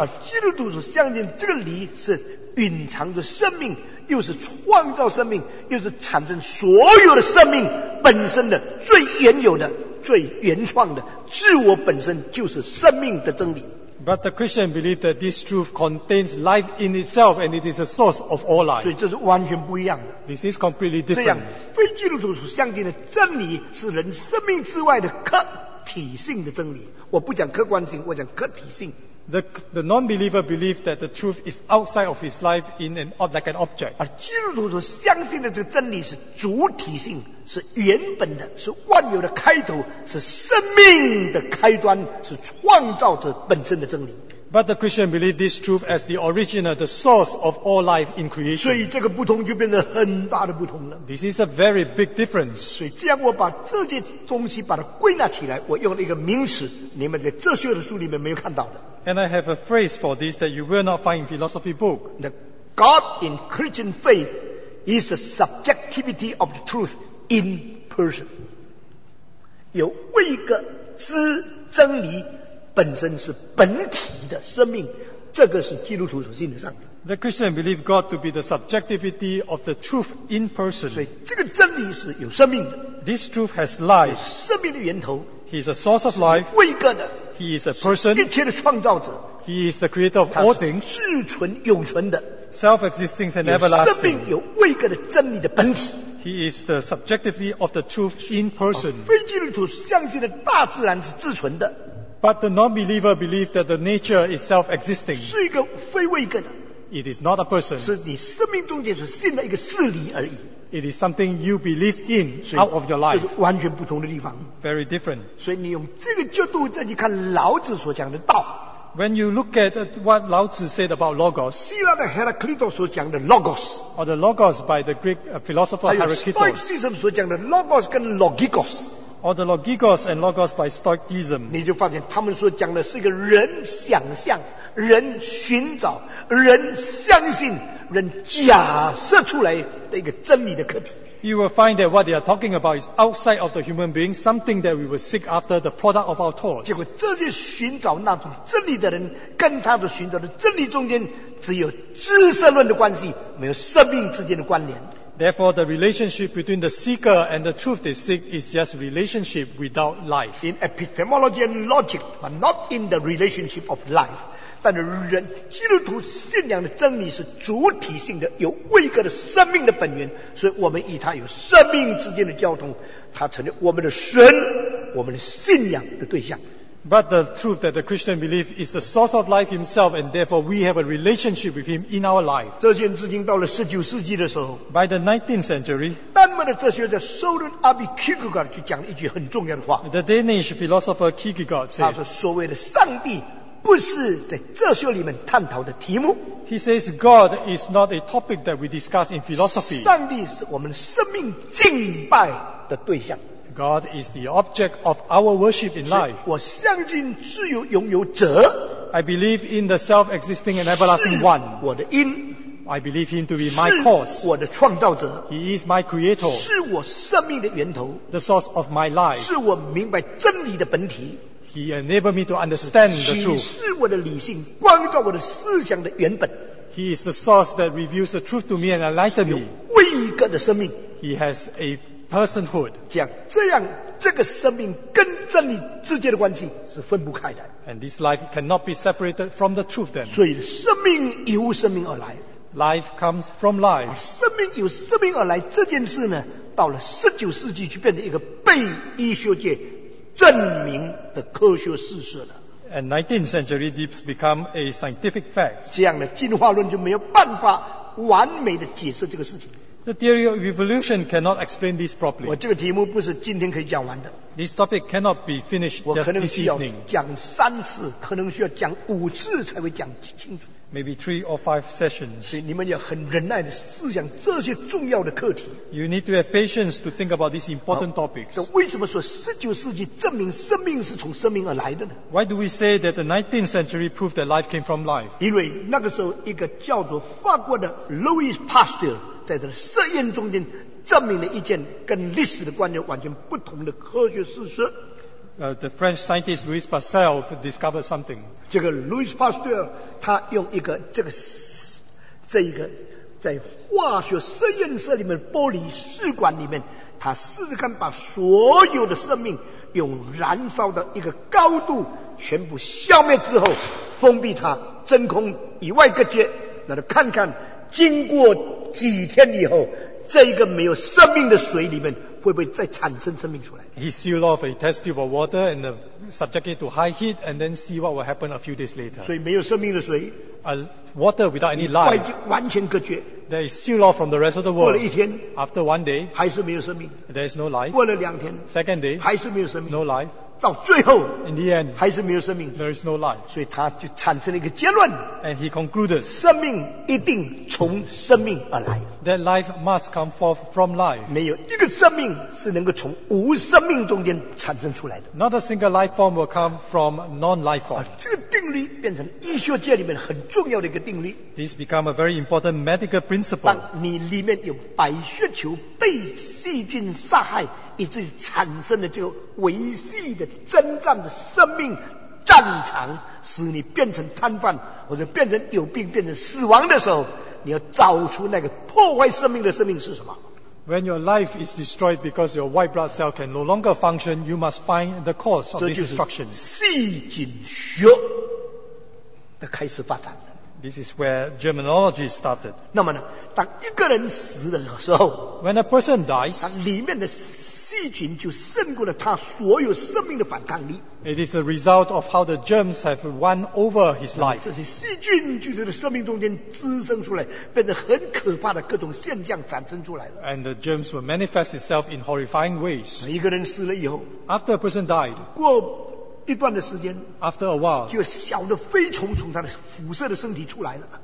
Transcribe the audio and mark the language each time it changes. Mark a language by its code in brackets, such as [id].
[zh] 而基督徒所相信这个理是隐藏着生命，又是创造生命，又是产生所有的生命本身的最原有的、最原创的自我本身，就是生命的真理。 [en] But the Christian believe that this truth contains life in itself, and it is the source of all life. [zh] 所以这是完全不一样的。 [en] This is completely different. [zh] 这样，非基督徒所相信的真理是人生命之外的客体性的真理。我不讲客观性，我讲客体性。 [en] The non-believer believe that the truth is outside of his life in an like an object. [zh] 而基督徒所相信的这个真理是主体性，是原本的，是万有的开头，是生命的开端，是创造者本身的真理。 [en] But the Christian believe this truth as the original, the source of all life in creation. [zh] 所以这个不同就变得很大的不同了。 [en] This is a very big difference. [zh] 所以这样我把这些东西把它归纳起来，我用了一个名词，你们在哲学的书里面没有看到的。 [en] And I have a phrase for this that you will not find in philosophy book. The God in Christian faith is the subjectivity of the truth in person. [zh] 有位格之真理本身是本体的生命，这个是基督徒所信的上帝。 [en] The Christian believe God to be the subjectivity of the truth in person. [zh] 所以这个真理是有生命的。 [en] This truth has life. [zh] 有生命的源头。 [en] He is a source of life. [zh] 位格的。 [en] He is a person. [zh] 一切的创造者。 [en] He is the creator of all things. [zh] 自存永存的。 [en] Self-existing and everlasting. [zh] 生命有位格的真理的本体。 [en] He is the subjectivity of the truth in person. [zh] 非基督徒相信的大自然是自存的。 [en] But the non-believer believe that the nature is self-existing. [zh] 是一个非位格的。 [en] It is not a person. [zh] 是你生命中间所信的一个事理而已。 [en] It is something you believe in out of your life. [zh] 这是完全不同的地方。 [en] Very different. [zh] 所以你用这个角度再去看老子所讲的道。 [en] When you look at what 老子 said about Logos, [zh] 希腊的 Heraclitus 所讲的 Logos, [en] or the Logos by the Greek philosopher Heraclitus, [zh] 还有 Stoicism 所讲的 Logos 跟 Logikos, [en] or the logikos and logos by stoicism, [zh] 你就发现他们所讲的是一个人想象、人寻找、人相信、人假设出来的一个真理的课题。 [en] You will find that what they are talking about is outside of the human being, something that we will seek after, the product of our thoughts. [zh] 结果这些寻找那种真理的人跟他的寻找的真理中间只有知识论的关系，没有生命之间的关联。 [en] Therefore, the relationship between the seeker and the truth they seek is just relationship without life. In epistemology and logic, but not in the relationship of life. [zh] 但人基督徒信仰的真理是主体性的，有位格的生命的本源，所以我们与他有生命之间的交通，他成为我们的神，我们的信仰的对象。 [en] But the truth that the Christian believe is the source of life himself, and therefore we have a relationship with him in our life. [zh] 这件事情到了十九世纪的时候 [en] ，By the 19th century， [zh] 丹麦的哲学家 Søren Abbe Kierkegaard 就讲了一句很重要的话。 [en] The Danish philosopher Kierkegaard said， [zh] 他说所谓的上帝不是在哲学里面探讨的题目。 [en] He says God is not a topic that we discuss in philosophy. [zh] 上帝是我们生命敬拜的对象。 [en] God is the object of our worship in life. [zh] 我相信自由拥有者。 [en] I believe in the self-existing and everlasting one. [zh] 是我的因。 [en] I believe him to be my cause. [zh] 是我的创造者。 [en] He is my creator. [zh] 是我生命的源头。 [en] The source of my life. [zh] 是我明白真理的本体。 [en] He enabled me to understand the truth. [zh] 是我的理性，光照我的思想的原本。 [en] He is the source that reveals the truth to me and enlightens me. [zh] 唯一个的生命。 [en] He has a personhood， [zh] 讲这样，这个生命跟真理之间的关系是分不开的。 [en] And this life cannot be separated from the truth. Then， [zh] 所以生命由生命而来。 [en] Life comes from life。 [zh] 生命由生命而来这件事呢，到了十九世纪就变成一个被医学界证明的科学事实了。 [en] And 19th century this become a scientific fact。 [zh] 这样的进化论就没有办法完美的解释这个事情。 [en] The theory of evolution cannot explain this properly. [zh] 我这个题目不是今天可以讲完的。 [en] This topic cannot be finished just this evening. [zh] 我可能需要讲三次，可能需要讲五次才会讲清楚。 [en] Maybe three or five sessions. [zh] 所以你们要很忍耐的思想这些重要的课题。 [en] You need to have patience to think about these important topics. [zh] 那为什么说十九世纪证明生命是从生命而来的呢？ [en] Why do we say that the 19th century proved that life came from life? [zh] 因为那个时候一个叫做法国的 Louis Pasteur在他的实验中间证明了一件跟历史的观念完全不同的科学事实。 [en] The French scientist Louis Pasteur discovered something. [zh] 这个 Louis Pasteur 他用一个这个在化学实验室里面玻璃试管里面，他试试看把所有的生命用燃烧的一个高度全部消灭之后，封闭它真空以外隔绝，那就看看经过几天以后，这一个没有生命的水里面会不会再产生生命出来。 [en] He sealed off a test tube of water and subject it to high heat and then see what will happen a few days later. [zh] 所以没有生命的水， [en] water without any life [zh] 外界完全隔绝， [en] that is sealed off from the rest of the world. [zh] 过了一天， [en] after one day [zh] 还是没有生命， [en] there is no life. [zh] 过了两天， [en] second day [zh] 还是没有生命， [en] no life. [zh] 到最后， [en] in the end [zh] 还是没有生命， [en] there is no life. [zh] 所以他就产生了一个结论， [en] and he concluded [zh] 生命一定从生命而来， [en] that life must come forth from life. [zh] 没有一个生命是能够从无生命中间产生出来的， [en] not a single life form will come from non-life form. [zh] 这个定律变成医学界里面很重要的一个定律， [en] this become a very important medical principle. [zh] 当你里面有白血球被细菌杀害以致产生的这个维系的征战的生命战场，使你变成瘫痪或者变成有病变成死亡的时候，你要找出那个破坏生命的生命是什么。 [en] When your life is destroyed because your white blood cell can no longer function, you must find the cause of this destruction. [zh] 细菌学的开始发展。 [en] This is where germinology started. [zh] 那么呢，当一个人死的时候， [en] When a person dies, [zh] 里面的细菌就胜过了他所有生命的反抗力。 [en] It is a result of how the germs have won over his life. [zh] 这些细菌就在生命中间滋生出来，变得很可怕的各种现象产生出来了。 [en] And the germs will manifest itself in horrifying ways. [zh] 一个人死了以后， [en] After a person died, [zh] 过一段的时间， [en] After a while, [zh] 就有小的飞虫从他的辐射的身体出来了。